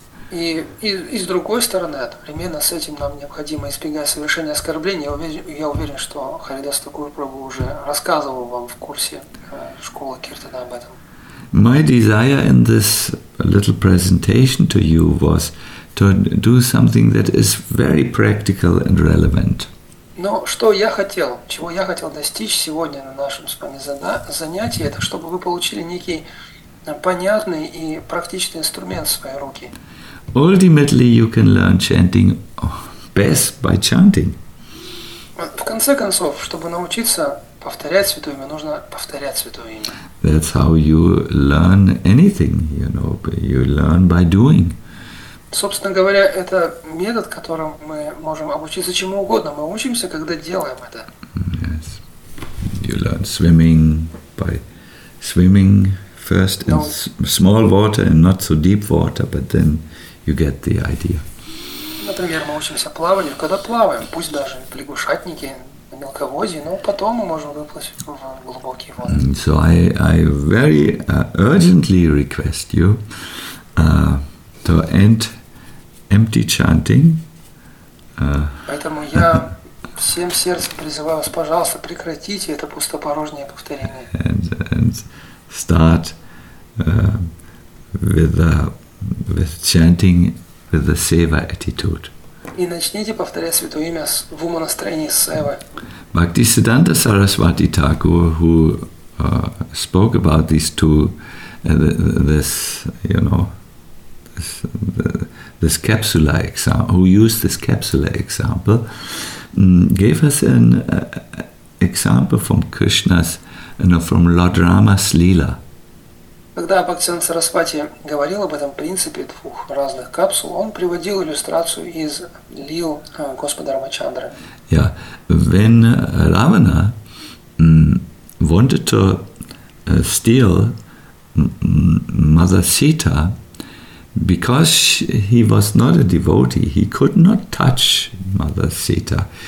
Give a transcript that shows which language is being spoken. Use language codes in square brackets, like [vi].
[ru] И с другой стороны, одновременно с этим нам необходимо избегать совершения оскорблений. Я уверен, что Харидас Такур Прабху уже рассказывал вам в курсе школы киртана об этом. [en] My desire in this little presentation to you was to do something that is very practical and relevant. [ru] Но что я хотел, чего я хотел достичь сегодня на нашем с вами занятии, это чтобы вы получили некий понятный и практичный инструмент в свои руки. [en] Ultimately, you can learn chanting best by chanting. [ru] В конце концов, чтобы научиться повторять святое имя, нужно повторять святое имя. [en] That's how you learn anything, you know. You learn by doing. [ru] Собственно говоря, это метод, которым мы можем обучиться чему угодно. Мы учимся, когда делаем это. [en] Yes. You learn swimming by swimming. First in small water and not so deep water, but then you get the idea. [ru] Например, мы учимся плаванию, когда плаваем, пусть даже в лягушатнике, в мелководье, но потом мы можем выплыть в глубокие воды. [en] So I very urgently request you to end empty chanting. [ru] Поэтому я всем сердцем призываю вас, пожалуйста, прекратите это пустопорожнее повторение. [en] And start with chanting with the seva attitude. [ru] И начните повторять святое имя в умонастроении севы. [en] Bhaktisiddhanta Saraswati Thakur, who spoke about these two, this capsula example, who used this capsula example, gave us an example from Krishna's, from Lord Rama's Lila. [ru] Когда Бхактисиддханта Сарасвати говорил об этом принципе двух разных капсул, он приводил иллюстрацию из лил Господа Рамачандры. [en] Yeah, when Ravana wanted to steal Mother Sita, because he was not a devotee, he could not touch Mother Sita.